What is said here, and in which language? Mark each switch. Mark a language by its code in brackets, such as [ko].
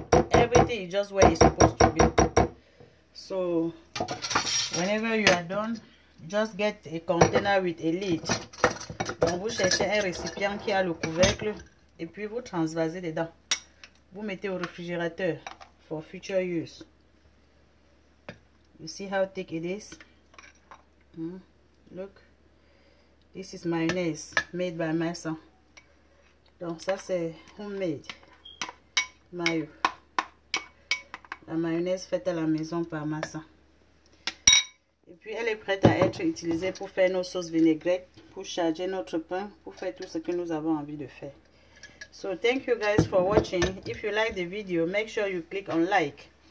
[en] Everything is just where it's supposed to be. So, whenever you are done, just get a container with a lid. [fr] Donc, vous cherchez un récipient qui a le couvercle et puis vous transvasez dedans. Vous mettez au réfrigérateur [en] for future use. You see how thick it is? Look. This is mayonnaise made by my son. [fr] Donc, ça c'est [en] homemade mayo. [fr] La mayonnaise faite à la maison par ma soeur. Et puis, elle est prête à être utilisée pour faire nos sauces vinaigrettes, pour charger notre pain, pour faire tout ce que nous avons envie de faire. [en] So, thank you guys for watching. If you like the video, make sure you click on like.